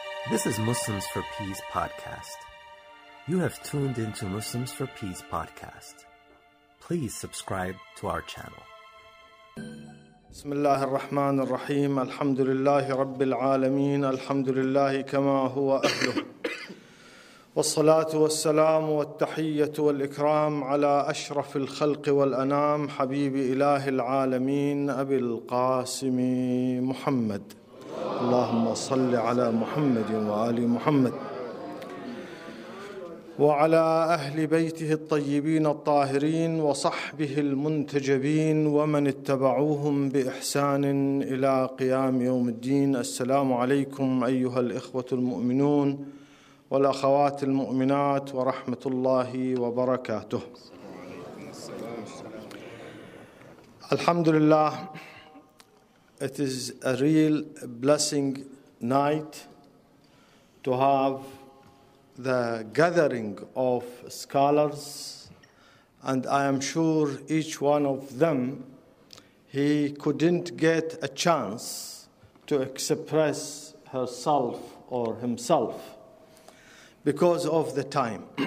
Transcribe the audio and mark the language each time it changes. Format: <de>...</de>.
<en>This is Muslims for Peace podcast. You have tuned into Muslims for Peace podcast. Please subscribe to our channel.</en> <ar>بسم الله الرحمن الرحيم الحمد لله رب العالمين الحمد لله كما هو أهله والصلاة والسلام والتحية والإكرام على أشرف الخلق والأنام حبيب إله العالمين أبي القاسم محمد اللهم صل على محمد وآل محمد وعلى أهل بيته الطيبين الطاهرين وصحبه المنتجبين ومن اتبعوهم بإحسان إلى قيام يوم الدين السلام عليكم أيها الإخوة المؤمنون والأخوات المؤمنات ورحمة الله وبركاته الحمد لله.</ar> <en>It is a real blessing night to have the gathering of scholars, and I am sure each one of them, he couldn't get a chance to express herself or himself because of the time.</en>